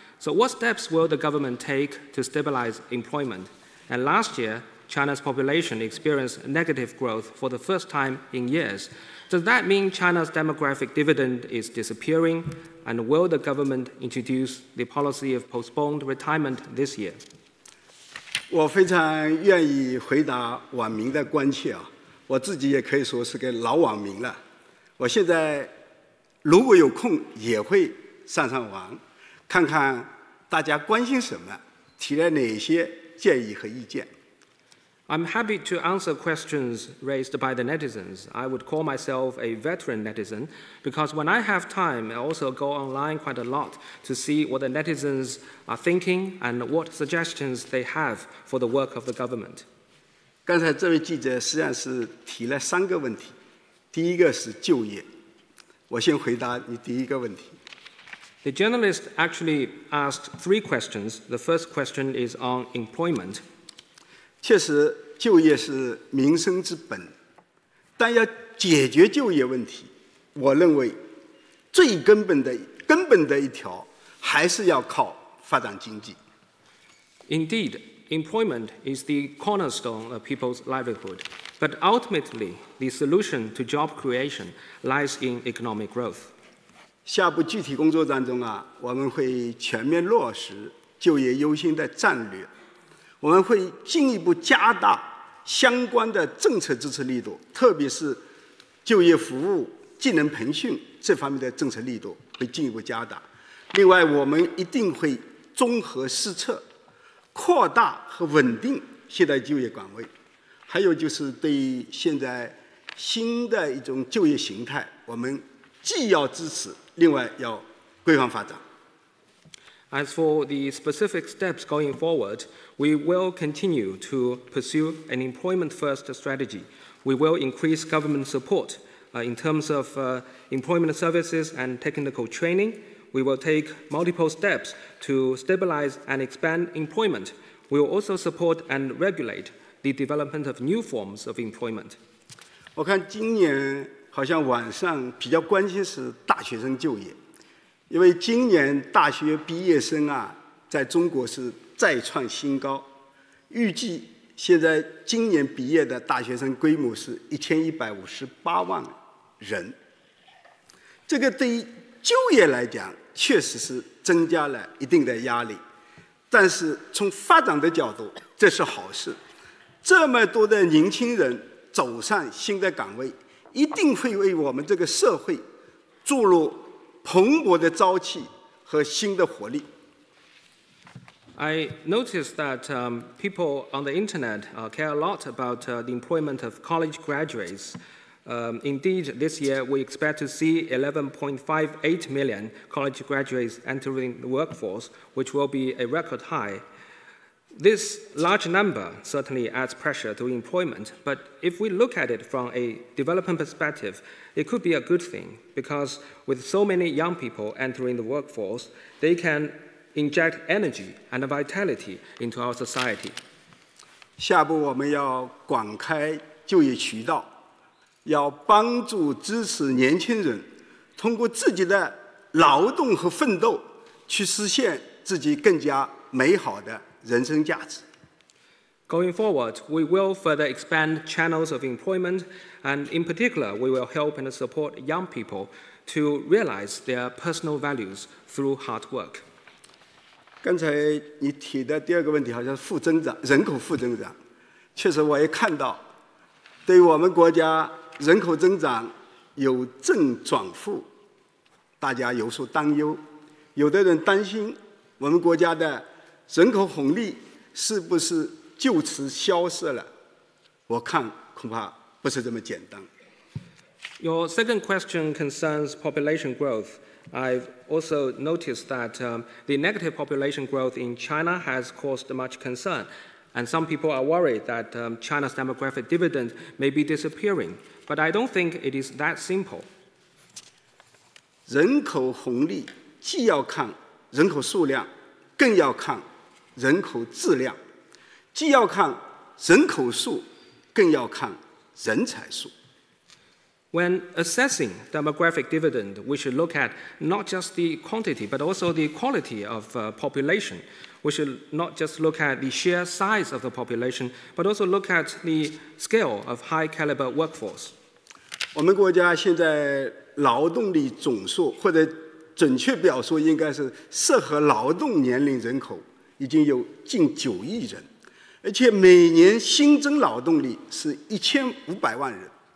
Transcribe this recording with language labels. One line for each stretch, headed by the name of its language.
English: So what steps will the government take to stabilize employment? And last year, China's population experienced negative growth for the first time in years. Does that mean China's demographic dividend is disappearing? And will the government introduce the policy of postponed retirement this year?
Chinese: 我非常愿意回答网民的关切啊，我自己也可以说是个老网民了。我现在如果有空也会上上网，看看大家关心什么，提了哪些建议和意见。
English: I'm happy to answer questions raised by the netizens. I would call myself a veteran netizen because when I have time, I also go online quite a lot to see what the netizens are thinking and what suggestions they have for the work of the government.
Chinese: 刚才这位记者实际上是提了三个问题，第一个是就业，我先回答你第一个问题。
English: The journalist actually asked three questions. The first question is on employment.
Chinese: 确实就业是民生之本，但要解决就业问题，我认为最根本的一条还是要靠发展经济。
English: Indeed, employment is the cornerstone of people's livelihood, but ultimately the solution to job creation lies in economic growth.
Chinese: 下部具体工作当中啊，我们会全面落实就业优先的战略，我们会进一步加大相关的政策支持力度，特别是就业服务、技能培训这方面的政策力度会进一步加大。另外，我们一定会综合施策，扩大和稳定现代就业岗位。还有就是对于现在新的一种就业形态，我们既要支持，另外要规范发展。
English: As for the specific steps going forward, we will continue to pursue an employment-first strategy. We will increase government support in terms of employment services and technical training. We will take multiple steps to stabilize and expand employment. We will also support and regulate the development of new forms of employment.
Chinese: 我看今年好像晚上比较关心是大学生就业，因为今年大学毕业生啊，在中国是再创新高，预计现在今年毕业的大学生规模是1158万人。这个对于就业来讲，确实是增加了一定的压力，但是从发展的角度，这是好事。这么多的年轻人走上新的岗位，一定会为我们这个社会注入蓬勃的朝气和新的活力。
English: I noticed that people on the internet care a lot about the employment of college graduates. Indeed, this year we expect to see 11.58 million college graduates entering the workforce, which will be a record high. This large number certainly adds pressure to employment, but if we look at it from a development perspective, it could be a good thing, because with so many young people entering the workforce, they can inject energy and vitality into our society.
Chinese: 下步我们要广开就业渠道，要帮助支持年轻人通过自己的劳动和奋斗去实现自己更加美好的人生价值。
English: Going forward, we will further expand channels of employment, and in particular, we will help and support young people to realize their personal values through hard work.
Chinese: 刚才你提的第二个问题好像是负增长，人口负增长，确实我也看到对我们国家人口增长由正转负，大家有所担忧。有的人担心我们国家的人口红利是不是就此消失了？我看恐怕不是这么简单。
English: Your second question concerns population growth. I've also noticed that the negative population growth in China has caused much concern, and some people are worried that China's demographic dividend may be disappearing. But I don't think it is that simple.
Chinese: 人口红利既要看人口数量，更要看人口质量，既要看人口数，更要看人才数。
English: When assessing demographic dividend, we should look at not just the quantity, but also the quality of population. We should not just look at the sheer size of the population, but also look at the scale of high-caliber workforce.
Chinese: 我们国家现在劳动力总数，或者准确表述，应该是适合劳动年龄人口已经有近9亿人，而且每年新增劳动力是1500万人。